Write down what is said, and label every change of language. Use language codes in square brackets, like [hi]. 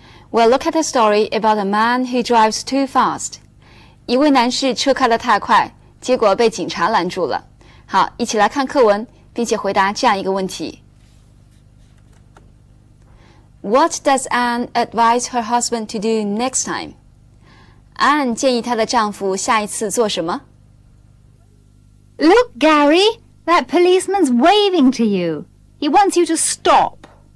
[en] We'll look at a story about a man who drives too fast. [zh] 一位男士车开得太快，结果被警察拦住了。好，一起来看课文，并且回答这样一个问题。 [en] What does Anne advise her husband to do next time? [zh] Anne 建议她的丈夫下一次做什么？ [en] Look, Gary, that policeman's waving to you. He wants you to stop.